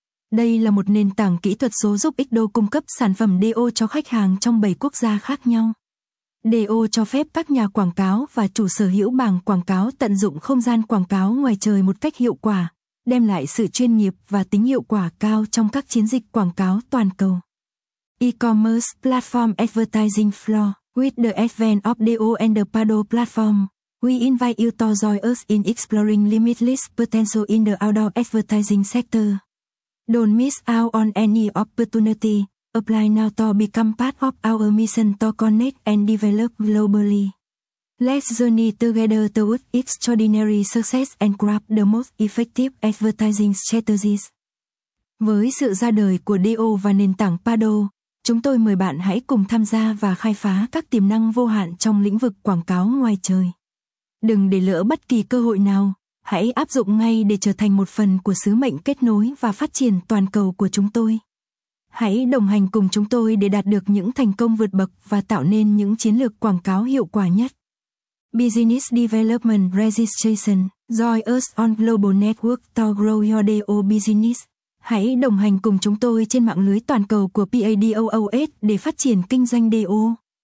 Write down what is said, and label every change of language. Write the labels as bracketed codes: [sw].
[vi] Đây là một nền tảng kỹ thuật số giúp Ixdo cung cấp sản phẩm DO cho khách hàng trong 7 quốc gia khác nhau. DO cho phép các nhà quảng cáo và chủ sở hữu bảng quảng cáo tận dụng không gian quảng cáo ngoài trời một cách hiệu quả, đem lại sự chuyên nghiệp và tính hiệu quả cao trong các chiến dịch quảng cáo toàn cầu. [en] E-commerce platform advertising floor. With the advent of DO and the Paddle platform, we invite you to join us in exploring limitless potential in the outdoor advertising sector. Don't miss out on any opportunity. Apply now to become part of our mission to connect and develop globally. Let's journey together towards extraordinary success and grab the most effective advertising strategies. [vi] Với sự ra đời của DO và nền tảng Paddle, chúng tôi mời bạn hãy cùng tham gia và khai phá các tiềm năng vô hạn trong lĩnh vực quảng cáo ngoài trời. Đừng để lỡ bất kỳ cơ hội nào, hãy áp dụng ngay để trở thành một phần của sứ mệnh kết nối và phát triển toàn cầu của chúng tôi. Hãy đồng hành cùng chúng tôi để đạt được những thành công vượt bậc và tạo nên những chiến lược quảng cáo hiệu quả nhất. [en] Business Development Registration. Join us on Global Network to grow your DO business. [vi] Hãy đồng hành cùng chúng tôi trên mạng lưới toàn cầu của Paddle để phát triển kinh doanh DO.